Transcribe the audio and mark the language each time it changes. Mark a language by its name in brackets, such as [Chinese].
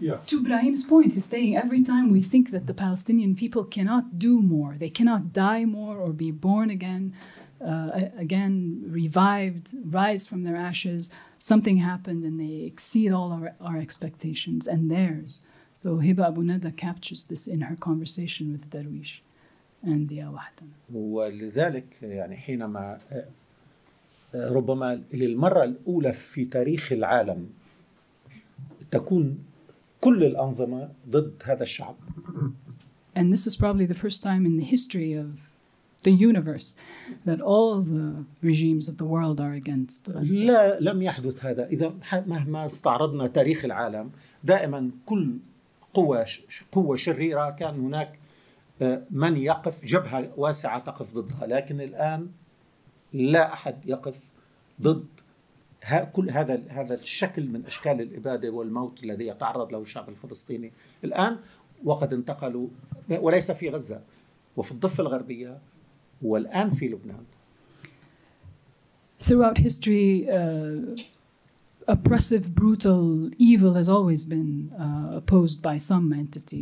[English] To Ibrahim's point, he's saying every time we think that the Palestinian people cannot do more, they cannot die more or be born again, again revived, rise from their ashes, something happened and they exceed all our expectations and theirs. So Hiba Abu Neda captures this in her conversation with Darwish. [Arabic] And يا وحدنا. ولذلك يعني حينما ربما للمرة الأولى في تاريخ العالم تكون كل الأنظمة ضد هذا الشعب. [English] And this is probably the first time in the history of the universe that all the regimes of the world are against. [Arabic] لا لم يحدث هذا إذا مهما استعرضنا تاريخ العالم دائما كل قوة شريرة كان هناك من يقف جبهة واسعة تقف ضدها لكن الآن لا أحد يقف ضد كل هذا الشكل من أشكال الإبادة والموت الذي يتعرض له الشعب الفلسطيني الآن وقد انتقلوا وليس في غزة وفي الضفة الغربية والآن في لبنان. [English] Throughout history, oppressive, brutal evil has always been opposed by some entity.